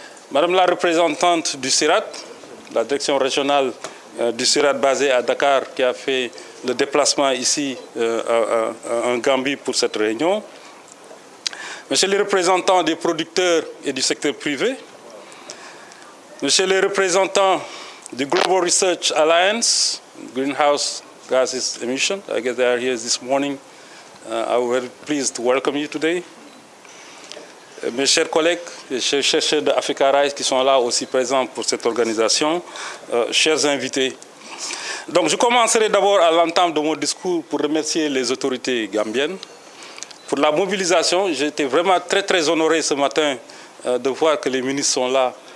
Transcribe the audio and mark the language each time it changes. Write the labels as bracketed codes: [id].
[fr] Madame la représentante du CIRAD, la direction régionale du CIRAD basé à Dakar qui a fait le déplacement ici en Gambie pour cette réunion. Monsieur le représentant des producteurs et du secteur privé. Monsieur le représentant du Global Research Alliance, Greenhouse Gases Emission. [en] I guess they are here this morning. I'm very pleased to welcome you today. [fr] Mes chers collègues, mes chers chercheurs de Africa Rice qui sont là aussi présents pour cette organisation, chers invités. Donc je commencerai d'abord à l'entame de mon discours pour remercier les autorités gambiennes pour la mobilisation. J'étais vraiment très très honoré ce matin de voir que les ministres sont là.